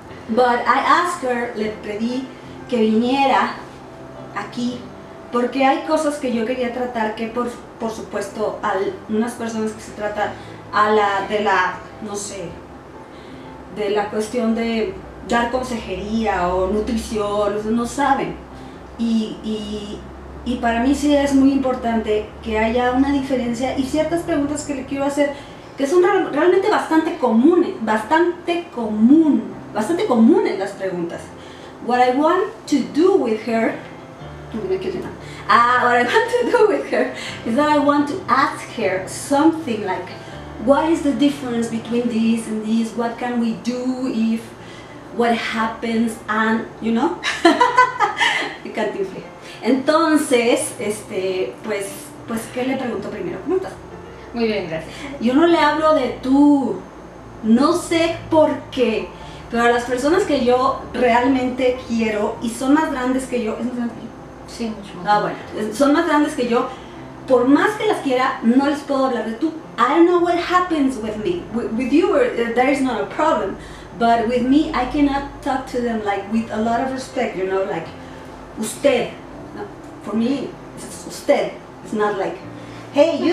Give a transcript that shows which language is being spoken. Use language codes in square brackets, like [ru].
[en] But I asked her, [es] le pedí que viniera aquí porque hay cosas que yo quería tratar que por supuesto a unas personas que se tratan a la de la, no sé, de la cuestión de dar consejería o nutrición, no saben. Y para mí sí es muy importante que haya una diferencia y ciertas preguntas que le quiero hacer que son realmente bastante comunes, bastante comunes las preguntas. [en] What I want to do with her, is that I want to ask her something like, what is the difference between this and this? What can we do if what happens and, you know? [es] Entonces, pues, ¿qué le pregunto primero? ¿Cómo estás? Muy bien, gracias. Yo no le hablo de tú, no sé por qué, pero a las personas que yo realmente quiero y son más grandes que yo, ¿es más grande que yo? Sí, mucho más. Ah, bueno, son más grandes que yo, por más que las quiera, no les puedo hablar de tú. [en] I don't know what happens with me, with you there is not a problem, but with me I cannot talk to them like with a lot of respect, you know, like usted, no, for me it's usted, it's not like, hey, you!